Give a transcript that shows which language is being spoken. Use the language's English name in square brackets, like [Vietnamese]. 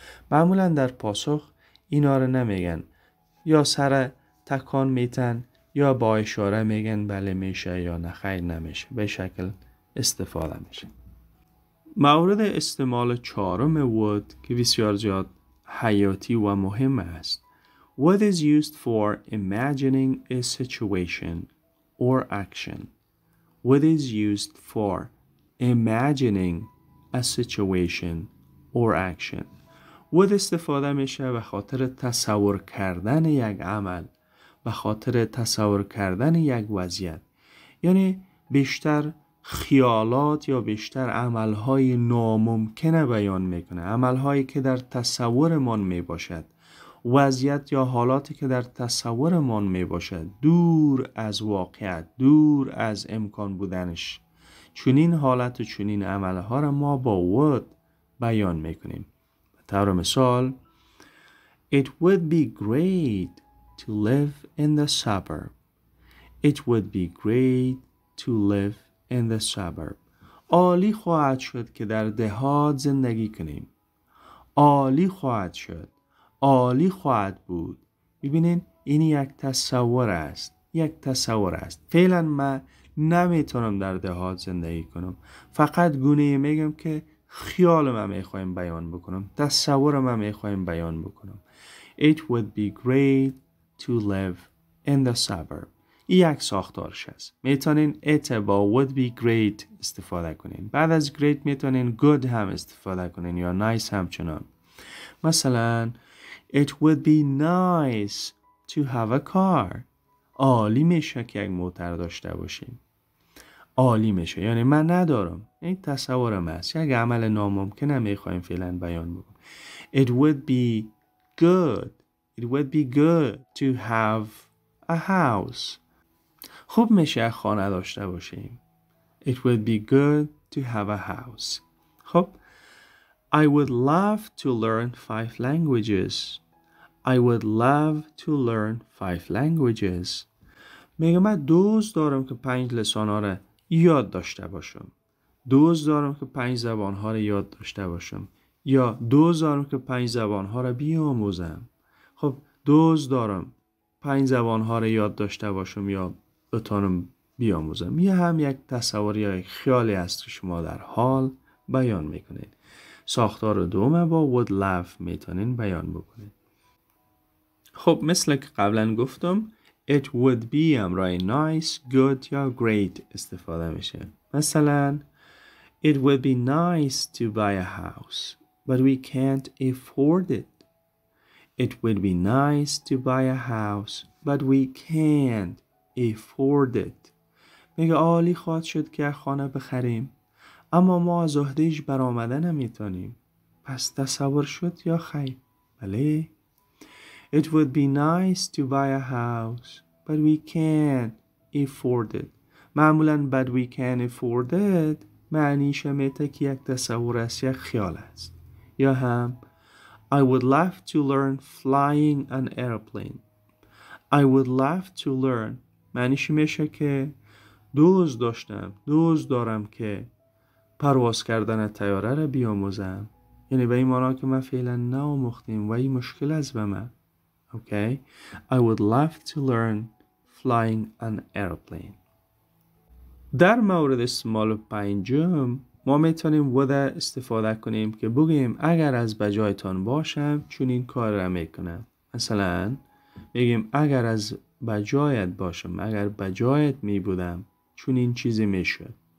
[Persian] معمولا در پاسخ اینا رو نمیگن، یا سر تکان میتن یا با اشاره میگن بله میشه یا نه خیر نمیشه، به شکل استفاده میشه. مورد استعمال چهارم would که بسیار زیاد حیاتی و مهم است. [English] Would is used for imagining a situation or action. Would is used for imagining a situation or action. [Persian] Would استفاده میشه به خاطر تصور کردن یک عمل، به خاطر تصور کردن یک وضعیت. یعنی بیشتر خیالات یا بیشتر عملهای ناممکن بیان میکنه، عملهایی که در تصورمان میباشد، وضعیت یا حالاتی که در تصورمان میباشد، دور از واقعیت، دور از امکان بودنش. چنین حالت و چنین عملها را ما با would بیان میکنیم. به طور مثال [English] It would be great to live in the suburb. It would be great to live in the suburb. [Persian] عالی خواهد شد که در دهات زندگی کنیم. عالی خواهد شد. عالی خواهد بود. ببینین این یک تصور است. یک تصور است. فعلا من نمیتونم در دهات زندگی کنم. فقط گونه میگم که خیالم هم میخوایم بیان بکنم. تصورم هم میخوایم بیان بکنم. [English] It would be great to live in the suburb. [Persian] ای یک ساختارش است. میتونین it با [English] would be great [Persian] استفاده کنین. بعد از great میتونین good هم استفاده کنین یا nice همچنان. [English] مثلا It would be nice to have a car. [Persian] عالی میشه که یک موتر داشته باشین. عالی میشه. یعنی من ندارم. این تصورم است. یک عمل ناممکن هم میخواییم فعلا بیان بکنم. [English] It would be good. It would be good to have a house. [Persian] خوب میشه خانه داشته باشیم. [English] It would be good to have a house. خب I would love to learn 5 languages. I would love to learn 5 languages. [Persian] میگم من دوست دارم که 5 لسان ها را یاد داشته باشم. دوست دارم که 5 زبان ها را یاد داشته باشم. یا دوست دارم که 5 زبان ها را بیاموزم. خب دوست دارم 5 زبان ها را یاد داشته باشم یا بتانم بیاموزم. یه هم یک تصور یا یک خیالی هست که شما در حال بیان میکنید. ساختار دومه با would love میتونین بیان بکنید. خب مثل که قبلا گفتم [English] it would be [Persian] امرای nice, good یا great استفاده میشه. [English] مثلا it would be nice to buy a house but we can't afford it. It would be nice to buy a house but we can't afford it. [Persian] میگه عالی خواهد شد که خانه بخریم اما ما از عهدهش برآمده نمیتونیم. پس تصور شد یا خیر؟ بله. [English] It would be nice to buy a house but we can't afford it. [Persian] معمولا [English] but we can't afford it [Persian] معنیش میده که یک تصور است، یک خیال است. [English] یا هم I would love to learn flying an airplane. I would love to learn [Persian] معنیش میشه که دوست داشتم، دوست دارم که پرواز کردن طیاره را بیاموزم. یعنی به این مانا که من فعلا ناموختیم و این مشکل از به من. [English] Okay, I would love to learn flying an airplane. [Persian] در مورد استعمال پنجم ما میتونیم would استفاده کنیم که بگیم اگر از بجایتان باشم چنین کار را میکنم. مثلا بگیم اگر از بجایت باشم، اگر بجایت میبودم چنین چیزی میشد.